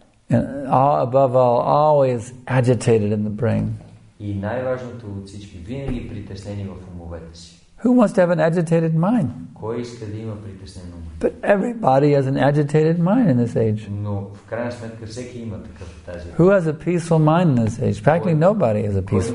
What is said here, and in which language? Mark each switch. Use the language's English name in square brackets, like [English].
[English] and all, above all, always agitated in the brain. [Bulgarian] И най-важното от всички, винаги притеснени в умовете си. [English] Who wants to have an agitated mind? [Bulgarian] Кой иска да има притеснено ум? [English] But everybody has an agitated mind in this age. [Bulgarian] Но в крайна сметка всеки има такъв в тази [English] Who has a peaceful mind in this age? Practically nobody has a peaceful mind.